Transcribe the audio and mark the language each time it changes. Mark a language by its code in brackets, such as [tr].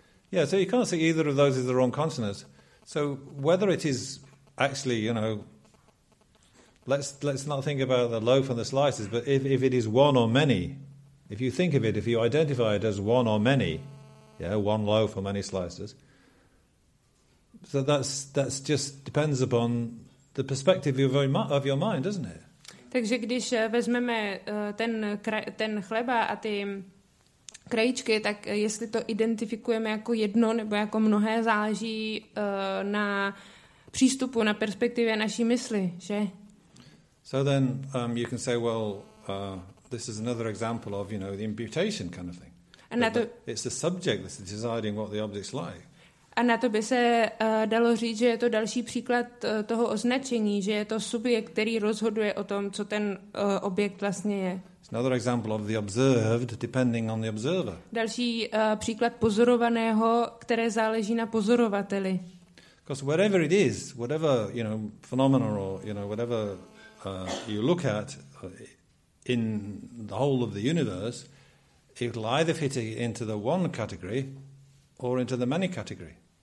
[en] Yeah, so you can't say either of those is the wrong consonant. So whether it is actually, you know, let's not think about the loaf and the slices, but if it is one or many, if you think of it, if you identify it as one or many, yeah, one loaf or many slices, so that's just depends upon the perspective of your mind, doesn't it? [cs] Takže když vezmeme ten chleba a ty krajíčky, tak jestli to identifikujeme jako jedno nebo jako mnohé, záleží na přístupu, na perspektivě naší mysli, že? [en] So then you can say, well, this is another example of, you know, the imputation kind of thing. And that it's the subject that's deciding what the object's like. [cs] A na to by se dalo říct, že je to další příklad toho označení, že je to subjekt, který rozhoduje o tom, co ten objekt vlastně je. [en] It's another example of the observed depending on the observer. [cs] Další příklad pozorovaného, které záleží na pozorovateli. [en] Because whatever it is, whatever, you know, phenomenon or, you know, whatever you look at in the whole of the universe, it will either fit into the one category or into the many category.